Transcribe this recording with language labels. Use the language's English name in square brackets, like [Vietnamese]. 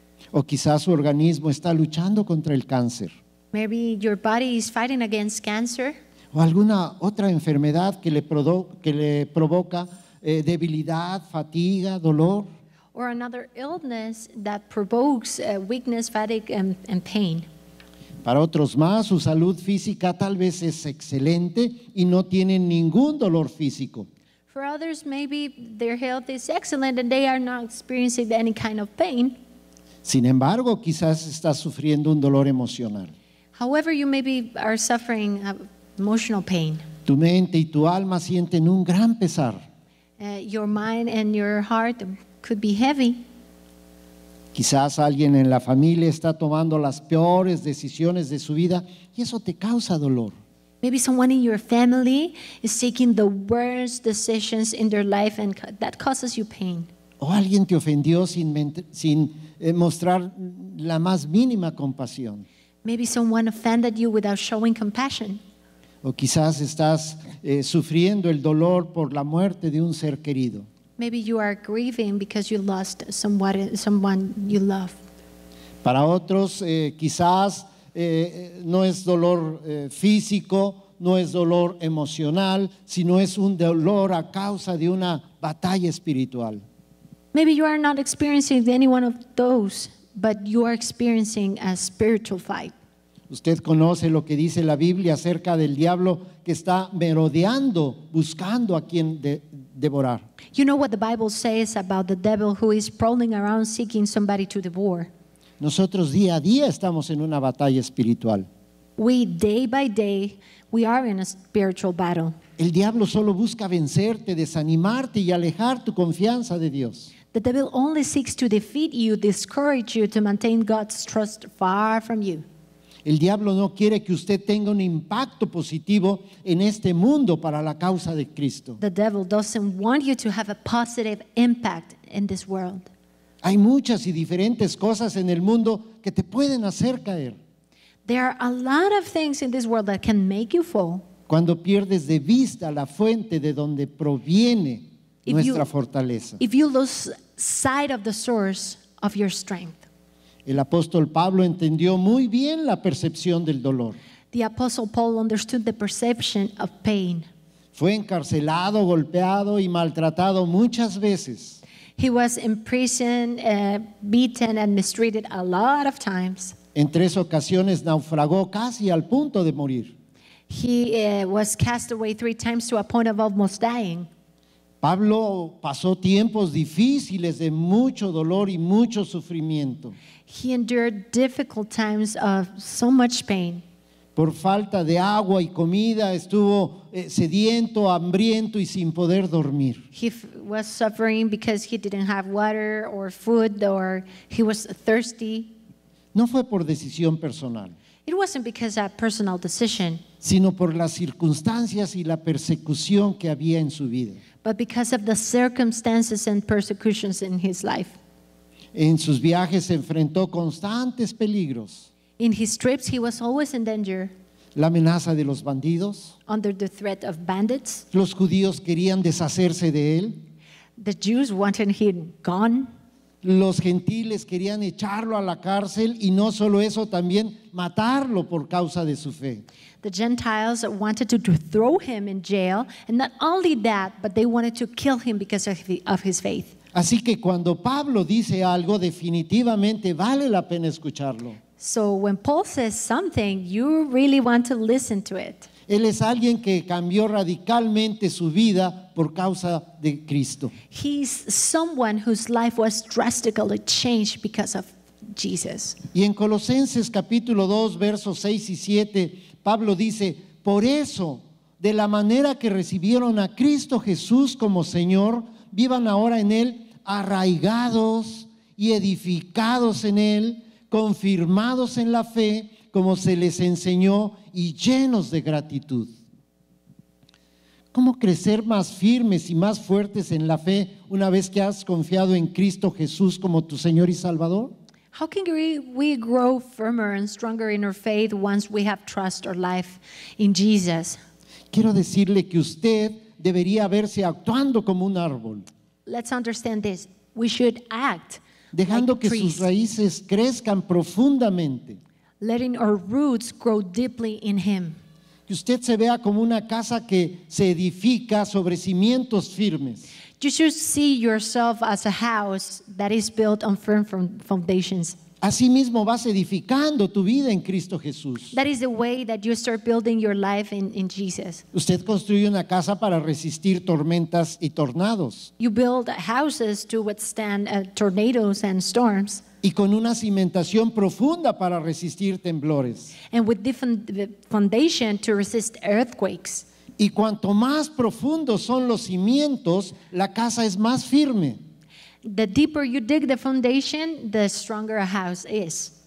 [Spanish] O quizás su organismo está luchando contra el cáncer. [English] Maybe your body is fighting against cancer. [Spanish] O alguna otra enfermedad que le provoca debilidad, fatiga, dolor. [English] Or another illness that provokes weakness, fatigue, and pain. [Spanish] Para otros más, su salud física tal vez es excelente y no tienen ningún dolor físico. [English] For others, maybe their health is excellent and they are not experiencing any kind of pain. [Spanish] Sin embargo, quizás está sufriendo un dolor emocional. [English] However, you maybe are suffering emotional pain. [Spanish] Tu mente y tu alma sienten un gran pesar. [English] Your mind and your heart could be heavy. [Spanish] Quizás alguien en la familia está tomando las peores decisiones de su vida y eso te causa dolor. [English] Maybe someone in your family is taking the worst decisions in their life and that causes you pain. [Spanish] O alguien te ofendió sin mostrar la más mínima compasión. [English] Maybe someone offended you without showing compassion. [Spanish] O quizás estás sufriendo el dolor por la muerte de un ser querido. [English] Maybe you are grieving because you lost someone you love. [Spanish] Para otros, quizás no es dolor físico, no es dolor emocional, sino es un dolor a causa de una batalla espiritual. [English] Maybe you are not experiencing any one of those, but you are experiencing a spiritual fight. [Spanish] Usted conoce lo que dice la Biblia acerca del diablo que está merodeando, buscando a quien devorar. [English] You know what the Bible says about the devil who is prowling around seeking somebody to devour. [Spanish] Nosotros día a día estamos en una batalla espiritual. [English] We day by day, we are in a spiritual battle. [Spanish] El diablo solo busca vencerte, desanimarte y alejar tu confianza de Dios. [English] The devil only seeks to defeat you, discourage you, to maintain God's trust far from you. [Spanish] El diablo no quiere que usted tenga un impacto positivo en este mundo para la causa de Cristo. [English] The devil doesn't want you to have a positive impact in this world. [Spanish] Hay muchas y diferentes cosas en el mundo que te pueden hacer caer. [English] There are a lot of things in this world that can make you fall. [Spanish] Cuando pierdes de vista la fuente de donde proviene nuestra fortaleza. [English] If you lose sight of the source of your strength. [Spanish] El apóstol Pablo entendió muy bien la percepción del dolor. [English] The apostle Paul understood the perception of pain. [Spanish] Fue encarcelado, golpeado y maltratado muchas veces. [English] He was imprisoned, beaten and mistreated a lot of times. [Spanish] En tres ocasiones naufragó casi al punto de morir. [English] He was cast away three times to a point of almost dying. [Spanish] Pablo pasó tiempos difíciles de mucho dolor y mucho sufrimiento. [English] He endured difficult times of so much pain. [Spanish] Por falta de agua y comida, estuvo sediento, hambriento y sin poder dormir. [English] He was suffering because he didn't have water or food, or he was thirsty. [Spanish] No fue por decisión personal. [English] It wasn't because of a personal decision. [Spanish] Sino por las circunstancias y la persecución que había en su vida. [English] But because of the circumstances and persecutions in his life. [Spanish] En sus viajes se enfrentó constantes peligros. [English] In his trips, he was always in danger. [Spanish] La amenaza de los bandidos. [English] Under the threat of bandits. [Spanish] Los judíos querían deshacerse de él. [English] The Jews wanted him gone. [Spanish] Los gentiles querían echarlo a la cárcel y no solo eso, también matarlo por causa de su fe. [English] The Gentiles wanted to throw him in jail, and not only that, but they wanted to kill him because of his faith. [Spanish] Así que cuando Pablo dice algo, definitivamente vale la pena escucharlo. [English] So when Paul says something, you really want to listen to it. [Spanish] Él es alguien que cambió radicalmente su vida por causa de Cristo. [English] He's someone whose life was drastically changed because of Jesus. [Spanish] Y en Colosenses capítulo 2, versos 6 y 7, Pablo dice, por eso, de la manera que recibieron a Cristo Jesús como Señor, vivan ahora en Él arraigados y edificados en Él, confirmados en la fe, como se les enseñó, y llenos de gratitud. ¿Cómo crecer más firmes y más fuertes en la fe una vez que has confiado en Cristo Jesús como tu Señor y Salvador? [English] How can we grow firmer and stronger in our faith once we have trust our life in Jesus? [Spanish] Quiero decirle que usted debería verse actuando como un árbol. [English] Let's understand this. We should act [Spanish] dejando [English] like [Spanish] que sus raíces crezcan profundamente. [English] Letting our roots grow deeply in Him. [Spanish] Que usted se vea como una casa que se edifica sobre cimientos firmes. [English] You should see yourself as a house that is built on firm foundations. [Spanish] Así mismo vas edificando tu vida en Cristo Jesús. [English] That is the way that you start building your life in Jesus. [Spanish] Usted construye una casa para resistir tormentas y tornados. [English] You build houses to withstand tornadoes and storms. [Spanish] Y con una cimentación profunda para resistir temblores. [English] And with different foundation to resist earthquakes. [Spanish] Y cuanto más profundos son los cimientos, la casa es más firme. [English] The deeper you dig the foundation, the stronger a house is.